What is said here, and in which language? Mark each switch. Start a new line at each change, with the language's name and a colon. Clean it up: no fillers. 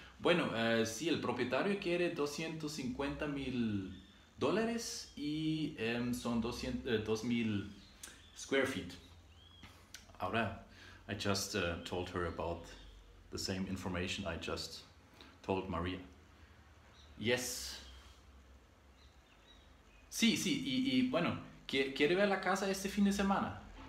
Spanish: Bueno, si el propietario quiere 250 mil dólares y son 2000 square feet. Ahora,
English: I just told her about the same information I just told Maria. Yes.
Spanish: Sí, y bueno, ¿quiere ver la casa este fin de semana?